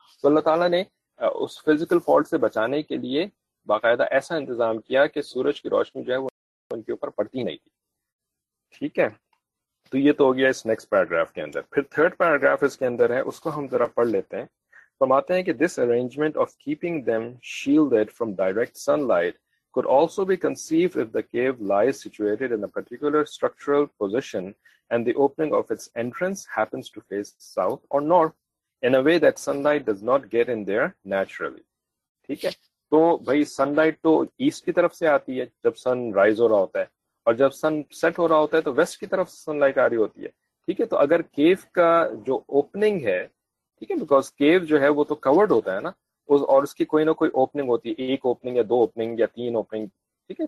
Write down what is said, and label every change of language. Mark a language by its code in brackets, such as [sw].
[ur] تو اللہ تعالیٰ نے اس فزیکل فالٹ سے بچانے کے لیے باقاعدہ ایسا انتظام کیا کہ سورج کی روشنی جو ہے وہ ان کے اوپر پڑتی نہیں تھی, ٹھیک ہے. تو یہ تو ہو گیا اس نیکسٹ پیراگراف کے اندر. پھر تھرڈ پیراگراف اس کے اندر ہے, اس کو ہم ذرا پڑھ لیتے ہیں. فرماتے ہیں کہ [en] This arrangement of keeping them shielded from direct sunlight could also be conceived if the cave lies situated in a particular structural position and the opening of its entrance happens to face south or north in a way that sunlight does not get in there naturally. [ur] ٹھیک ہے. تو بھائی sunlight تو east کی طرف سے آتی ہے جب sun rise ہو رہا ہوتا ہے, اور جب sun set ہو رہا ہوتا ہے تو west کی طرف sunlight آ رہی ہوتی ہے, ٹھیک ہے. تو اگر cave کا جو opening ہے, ٹھیک ہے, because cave جو ہے وہ تو covered ہوتا ہے نا, اور اس کی کوئی نہ کوئی اوپننگ ہوتی ہے, ایک اوپننگ یا دو اوپننگ یا تین اوپننگ, ٹھیک ہے.